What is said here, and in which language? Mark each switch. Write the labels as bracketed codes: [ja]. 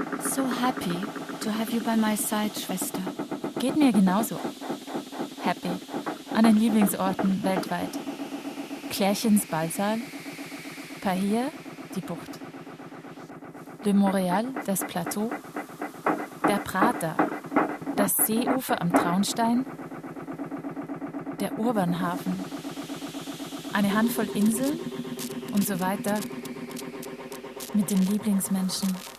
[en] So happy to have you by my side, Schwester. [de] Geht mir genauso. Happy. An den Lieblingsorten weltweit. Klärchens Ballsaal. Pahia, die Bucht. Le Montréal, das Plateau. Der Prater. Das Seeufer am Traunstein, der Urbanhafen, eine Handvoll Inseln und so weiter mit den Lieblingsmenschen.